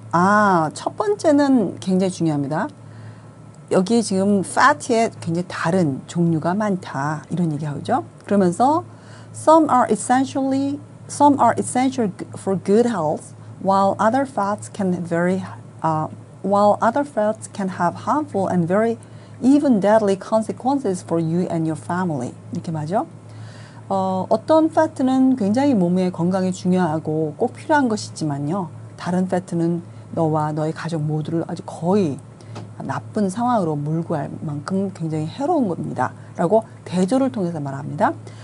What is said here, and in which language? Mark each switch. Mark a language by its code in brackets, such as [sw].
[ko] 아, 첫 번째는 굉장히 중요합니다. 여기 지금 fat에 굉장히 다른 종류가 많다 이런 얘기하죠. 그러면서 [en] some are essential for good health, while other fats can have harmful and very even deadly consequences for you and your family. [ko] 이렇게 맞죠? 어떤 fat는 굉장히 몸의 건강에 중요하고 꼭 필요한 것이지만요, 다른 fat는 너와 너의 가족 모두를 아주 거의 나쁜 상황으로 몰고 갈 만큼 굉장히 해로운 겁니다 라고 대조를 통해서 말합니다.